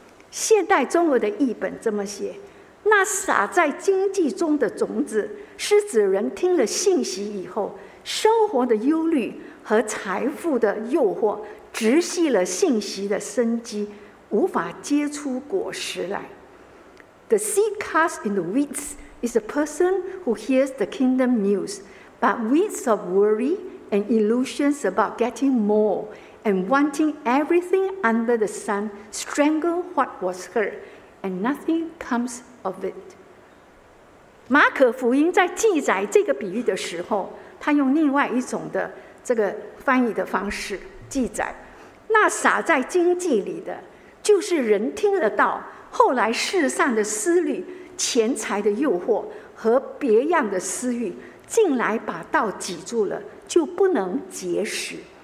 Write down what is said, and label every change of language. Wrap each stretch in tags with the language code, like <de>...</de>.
<zh>现代中文的译本这么写：那撒在荆棘中的种子，是指人听了信息以后，生活的忧虑和财富的诱惑直系了信息的生机，无法结出果实来。</zh> <en>The seed cast in the weeds is a person who hears the kingdom news, but weeds of worry and illusions about getting more and wanting everything under the sun strangle what was heard, and nothing comes of it.</en> <zh>马可福音在记载这个比喻的时候，他用另外一种的这个翻译的方式记载，那撒在荆棘里的，就是人听得到，后来世上的思虑、钱财的诱惑和别样的私欲进来把道挤住了，就不能结实。</zh>